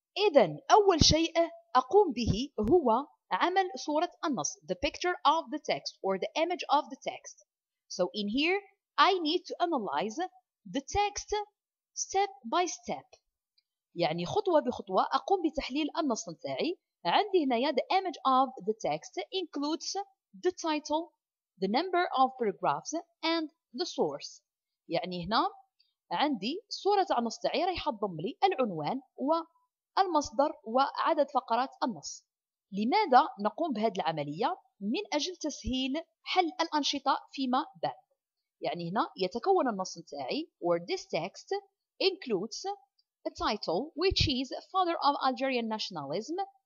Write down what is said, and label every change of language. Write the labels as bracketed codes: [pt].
[ar] إذن أول شيء أقوم به هو عمل صورة النص, [en] the picture of the text or the image of the text. So in here I need to analyze the text step by step. [ar] يعني خطوة بخطوة أقوم بتحليل النص نتاعي. عندي هنا يا [en] the image of the text includes the title, the number of paragraphs and the source. [ar] يعني هنا عندي صورة النص تاعي راح تضم لي العنوان والمصدر وعدد فقرات النص. لماذا نقوم بهذه العملية؟ من أجل تسهيل حل الأنشطة فيما بعد. يعني هنا يتكون النص نتاعي [en] or this text includes a title which is father of Algerian nationalism.